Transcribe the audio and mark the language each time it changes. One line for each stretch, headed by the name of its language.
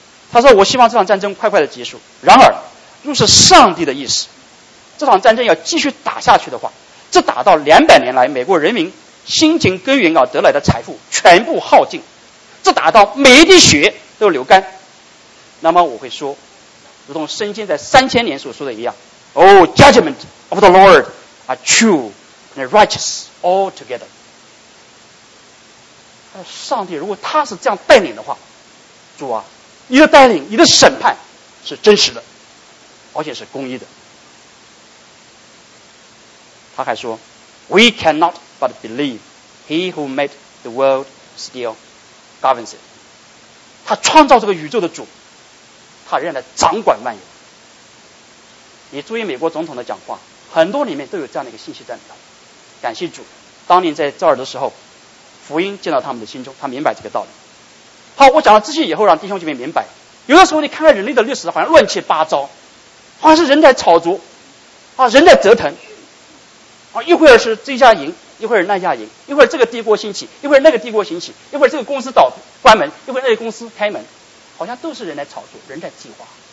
Chinese: 他说我希望这场战争快快的结束，然而若是上帝的意思，这场战争要继续打下去的话，这打到200年来美国人民辛勤耕耘而得来的财富全部耗尽，这打到每一滴血都流干，那么我会说如同圣经在3000年所说的一样，
English: Oh judgment of the Lord are true and righteous all together。
Chinese: 上帝如果他是这样带领的话，主啊，你的带领，你的审判是真实的，而且是公义的。他还说
English: We cannot but believe he who made the world still governs it，
Chinese: 他创造这个宇宙的主，他仍然掌管万有。你注意美国总统的讲话，很多里面都有这样的一个信息在里头，感谢主，当年在召耳的时候，福音进到他们的心中，他明白这个道理。好，我讲了这些以后，让弟兄姐妹明白，有的时候你看看人类的历史，好像乱七八糟，好像是人在炒作，啊，人在折腾，啊，一会儿是这家赢，一会儿那家赢，一会儿这个帝国兴起，一会儿那个帝国兴起，一会儿这个公司倒关门，一会儿那个公司开门，好像都是人在炒作，人在计划。